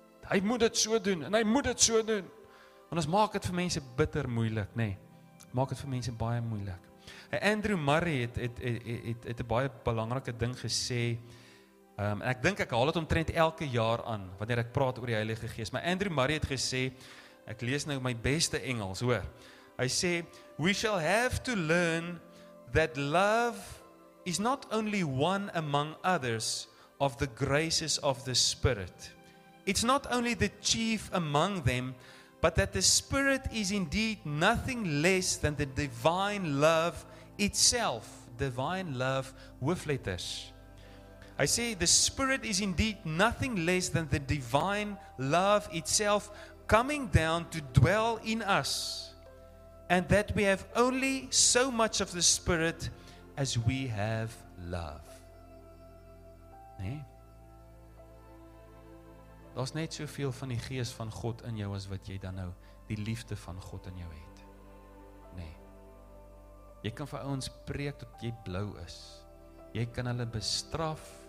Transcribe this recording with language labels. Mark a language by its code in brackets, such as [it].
[af] Hy moet dit so doen, en hy moet dit so doen. Want ons maak dit vir mense bitter moeilik, nee. Maak dit vir mense baie moeilik. Andrew Murray het 'n baie belangrike ding gesê, ek dink ek haal het omtrent elke jaar aan, wanneer ek praat oor die Heilige Gees. Maar Andrew Murray het gesê, ek lees nou my beste Engels, hoor. Hy sê, [en] we shall have to learn that love is not only one among others of the graces of the Spirit. It's not only the chief among them, but that the Spirit is indeed nothing less than the divine love itself. Divine love, hoofletters. I say, the Spirit is indeed nothing less than the divine love itself coming down to dwell in us, and that we have only so much of the Spirit as we have love. [af] Nee? Daar's net soveel van die Gees van God in jou as wat jy dan nou die liefde van God in jou het. Nee. Jy kan vir ouens preek tot jy blou is. Jy kan hulle bestraf.